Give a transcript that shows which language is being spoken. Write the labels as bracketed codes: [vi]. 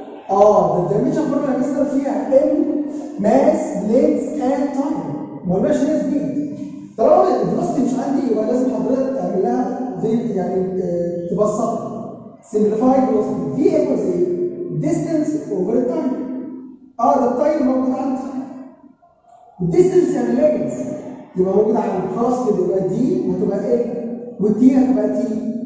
[ar] ده dimension formula يا مستر فيها m mass length and time، ما قلناش ليها speed. طالما velocity مش عندي يبقى لازم حضرتك تعملها يعني تبسطها. [en] simplify velocity v equals a distance over time. [ar] ده التايم موجود عندي. distance يعني length، يبقى موجود عندي. خلاص كده يبقى دي وتبقى ايه؟ والدي هتبقى تي.